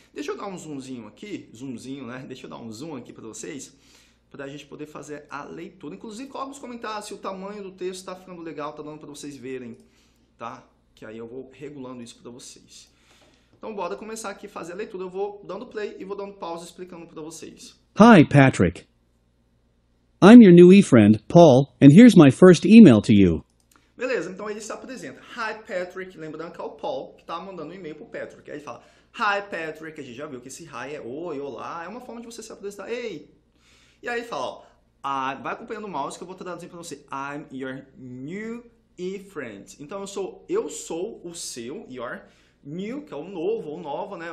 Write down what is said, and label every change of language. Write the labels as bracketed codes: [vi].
[pt] Deixa eu dar um zoomzinho aqui. Zoomzinho, né? Deixa eu dar um zoom aqui para vocês. Para a gente poder fazer a leitura. Inclusive, coloca nos comentários se o tamanho do texto está ficando legal. Está dando para vocês verem, tá? Que aí eu vou regulando isso para vocês. Então, bora começar aqui a fazer a leitura. Eu vou dando play e vou dando pausa explicando para vocês. [en] Hi, Patrick. I'm your new e-friend, Paul, and here's my first email to you. [pt] Beleza, então ele se apresenta. Hi, Patrick. Lembrando que é o Paul que está mandando um e-mail para o Patrick. Aí ele fala, hi, Patrick. A gente já viu que esse hi é oi, olá. É uma forma de você se apresentar. Ei. E aí ele fala, vai acompanhando o mouse que eu vou traduzir para você. [en] I'm your new e-friend. [pt] Então eu sou o seu, your new, que é o novo ou nova, né?